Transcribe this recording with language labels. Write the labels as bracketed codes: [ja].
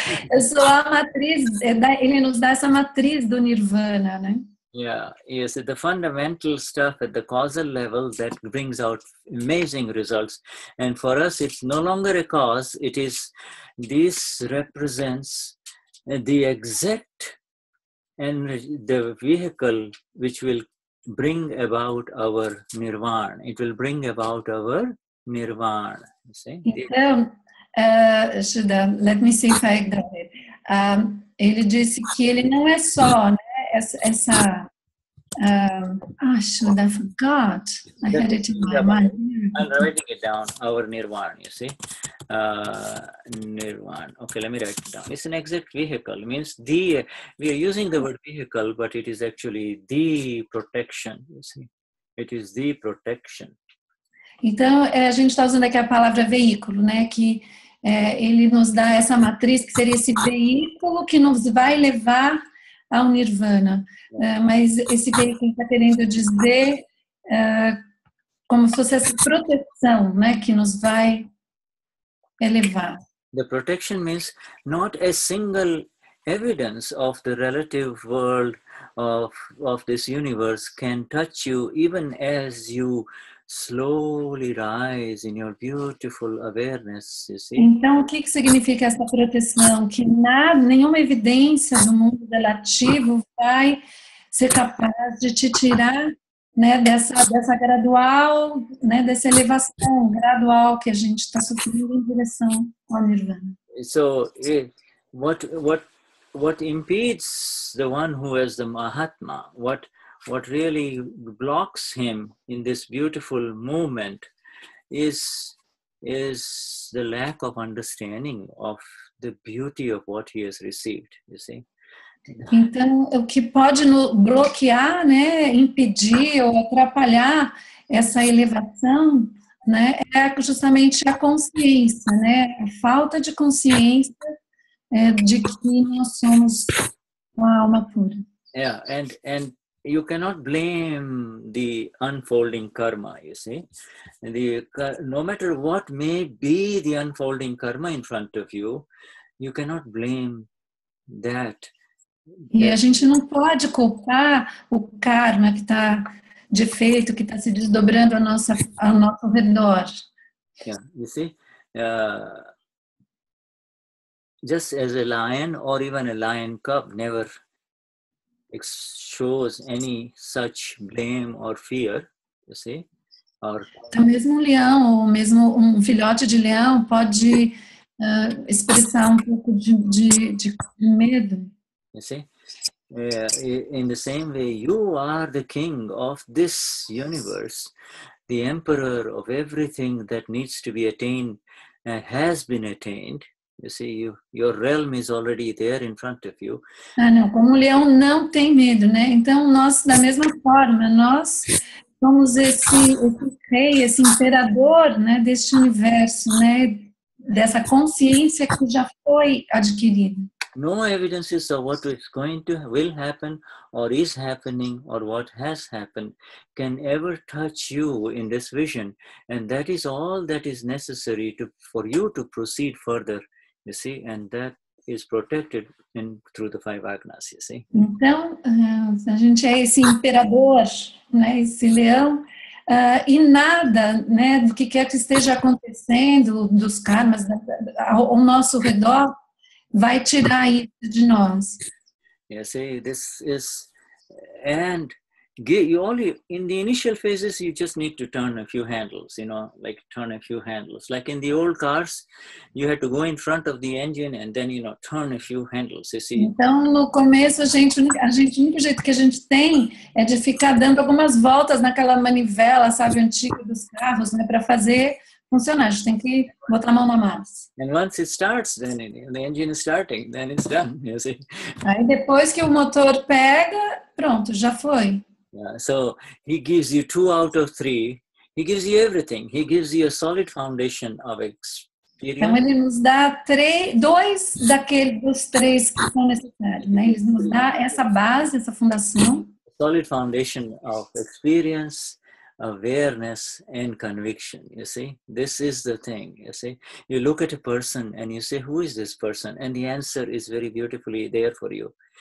[pt] Eu sou a matriz, ele nos dá essa matriz do Nirvana, né? [en] Yeah, yes, the fundamental stuff at the causal level that brings out amazing results. And for us, it's no longer a cause, it is, this represents the exact energy, the vehicle which will bring about our Nirvana. It will bring about our Nirvana, you see? Shuddha, let me see if I got it. [pt] Ele disse que ele não é só, né? [en] Shuddha, I forgot. I had it in my mind. I'm writing it down, our Nirvana, you see? Nirvana. Okay, let me write it down. It's an exact vehicle. It means the, we are using the word vehicle, but it is actually the protection, you see? It is the protection. [pt] Então, a gente está usando aqui a palavra veículo, né? Que ele nos dá essa matriz, que seria esse veículo que nos vai levar ao Nirvana. Mas esse veículo está querendo dizer como se fosse essa proteção, né? Que nos vai elevar. [en] The protection means not a single evidence of the relative world of this universe can touch you, even as you slowly rise in your beautiful awareness, you see? [pt] Então, o que significa essa proteção? Que nenhuma evidência do mundo relativo vai ser capaz de te tirar, né, dessa gradual, né, dessa elevação gradual que a gente está sofrendo em direção ao Nirvana. [en] So, what impedes the one who is the Mahatma, what really blocks him in this beautiful movement is is the lack of understanding of the beauty of what he has received, you see. [pt] Então, o que pode bloquear, né, impedir ou atrapalhar essa elevação, né, é justamente a consciência, né, a falta de consciência de que nós somos uma alma pura. [en] Yeah, and you cannot blame the unfolding karma, you see. The, no matter what may be the unfolding karma in front of you, you cannot blame that. [pt] E a gente não pode culpar o karma que está de feito, que está se desdobrando ao nosso redor. [en] Yeah, you see, just as a lion or even a lion cub never shows any such blame or fear, you see. Or... [pt] Então, mesmo um leão ou mesmo um filhote de leão pode expressar um pouco de medo. [en] You see, in the same way, you are the king of this universe, the emperor of everything that needs to be attained, has been attained. You see, your realm is already there in front of you. [pt] Ah, não, como o leão não tem medo, né? Então, nós, da mesma forma, nós somos esse rei, esse imperador, né, deste universo, né, dessa consciência que já foi adquirida. [en] No evidences of what is going to will happen or is happening or what has happened can ever touch you in this vision, and that is all that is necessary to for you to proceed further, you see, and that is protected in through the five Agnas, you see. [pt] Então, a gente é esse imperador, né, esse leão, e nada, né, do que quer que esteja acontecendo, dos karmas ao nosso redor, vai tirar isso de nós. [en] Yeah, see, this is, and you only in the initial phases you just need to turn a few handles, you know, like turn a few handles. Like in the old cars, you had to go in front of the engine and then, you know, turn a few handles. You see. [pt] Então, no começo a gente o único jeito que a gente tem é de ficar dando algumas voltas naquela manivela, sabe, antiga dos carros, né, para fazer funcionar. A gente tem que botar a mão na massa. [en] And once it starts, then the engine is starting, then it's done, you see. [pt] Aí depois que o motor pega, pronto, já foi. [en] Yeah, so he gives you 2 out of 3. He gives you everything. He gives you a solid foundation of experience. [pt] Então ele nos dá 2 daqueles dos 3 que são necessários, né? Ele nos dá essa base, essa fundação. [en] A solid foundation of experience, awareness and conviction, you see. This is the thing, you see. You look at a person and you say, who is this person? And the answer is very beautifully there for you.